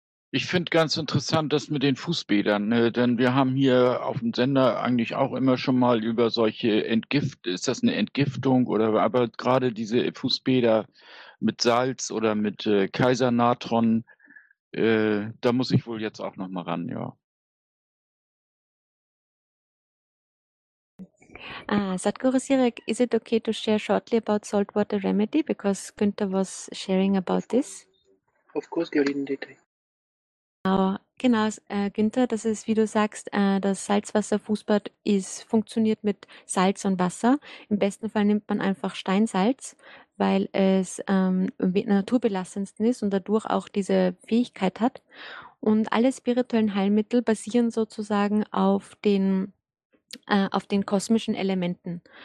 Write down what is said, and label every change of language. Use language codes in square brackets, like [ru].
[de] Ich finde ganz interessant, das mit den Fußbädern, ne? Denn wir haben hier auf dem Sender eigentlich auch immer schon mal über solche ist das eine Entgiftung oder, aber gerade diese Fußbäder mit Salz oder mit Kaisernatron, da muss ich wohl jetzt auch nochmal ran, ja. [en] Sadhguru Sirek, is it okay to share shortly about saltwater remedy? Because Günther was sharing about this. Of course, they are in detail. [de] Genau, Günther, das ist, wie du sagst, das Salzwasserfußbad funktioniert mit Salz und Wasser. Im besten Fall nimmt man einfach Steinsalz, weil es naturbelastendsten ist und dadurch auch diese Fähigkeit hat. Und alle spirituellen Heilmittel basieren sozusagen auf den kosmischen Elementen.